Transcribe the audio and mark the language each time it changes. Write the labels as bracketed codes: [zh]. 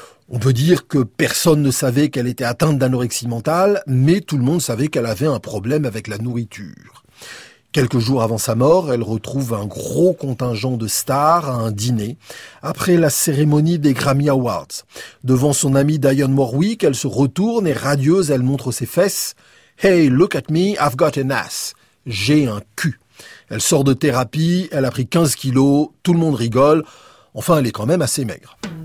[fr] On peut dire que personne ne savait qu'elle était atteinte d'anorexie mentale, mais tout le monde savait qu'elle avait un problème avec la nourriture. Quelques jours avant sa mort, elle retrouve un gros contingent de stars à un dîner après la cérémonie des Grammy Awards. Devant son amie Dionne Warwick, elle se retourne et radieuse, elle montre ses fesses. [en] « Hey, look at me, I've got an ass. [fr] J'ai un cul. » Elle sort de thérapie, elle a pris 15 kilos, tout le monde rigole. Enfin, elle est quand même assez maigre.